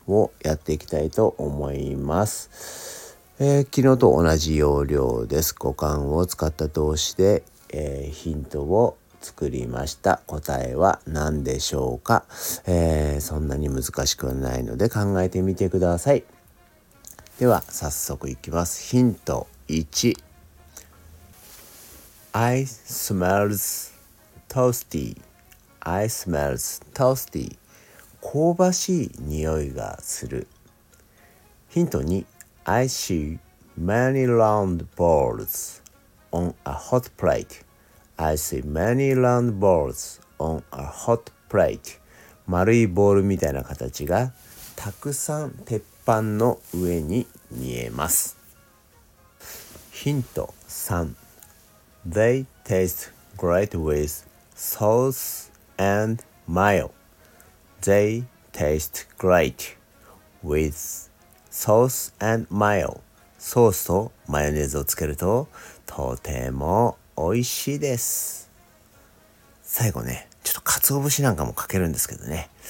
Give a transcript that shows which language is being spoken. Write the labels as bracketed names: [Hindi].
[Japanese] をやっていきたいと思います。昨日と同じ要領です。語感を使った動詞で、ヒントを作りました。答えは何でしょうか。そんなに難しくないので考えてみてください。では早速いきます。 [English] ヒント1、 I smells toasty。 I smells toasty、 [Japanese] 香ばしい匂いがする。 [English] ヒント2、 I see many round balls on a hot plate。 I see many round balls on a hot plate、 [Japanese] 丸いボールみたいな形がたくさん鉄板の上に見えます。 [English] ヒント3、 They taste great with sauce and mayo。 They taste great with sauce and mayo。 [Japanese] ソースとマヨネーズをつけるととても美味しいです。最後ね、ちょっと鰹節なんかもかけるんですけどね。